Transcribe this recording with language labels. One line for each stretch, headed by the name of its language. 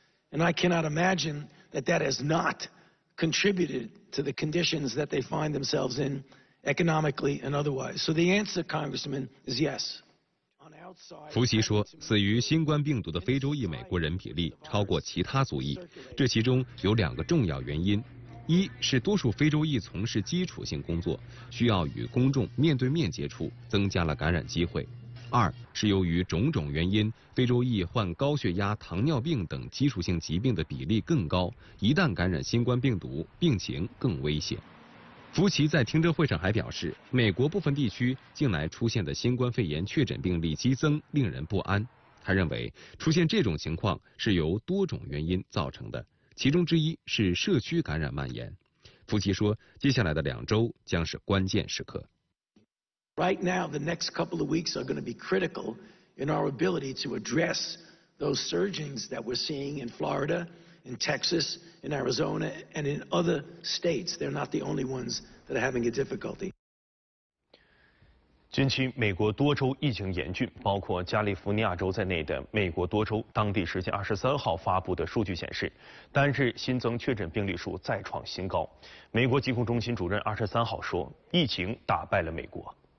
English: And I cannot imagine that that has not contributed to the conditions that they find themselves in economically and otherwise. So the answer, Congressman, is yes.
Chinese: 福奇说，死于新冠病毒的非洲裔美国人比例超过其他族裔，这其中有两个重要原因。一是多数非洲裔从事基础性工作，需要与公众面对面接触，增加了感染机会；二是由于种种原因，非洲裔患高血压、糖尿病等基础性疾病的比例更高，一旦感染新冠病毒，病情更危险。福奇在听证会上还表示，美国部分地区近来出现的新冠肺炎确诊病例激增令人不安，他认为出现这种情况是由多种原因造成的，其中之一是社区感染蔓延。福奇说，接下来的两周将是关键时刻。
English: Right now, the next couple of weeks are going to be critical in our ability to address those surgings that we're seeing in Florida, in Texas, in Arizona, and in other states. They're not the only ones that are having a difficulty.
Chinese: 近期美国多州疫情严峻，包括加利福尼亚州在内的美国多州当地时间23号发布的数据显示，单日新增确诊病例数再创新高。美国疾控中心主任23号说，疫情打败了美国。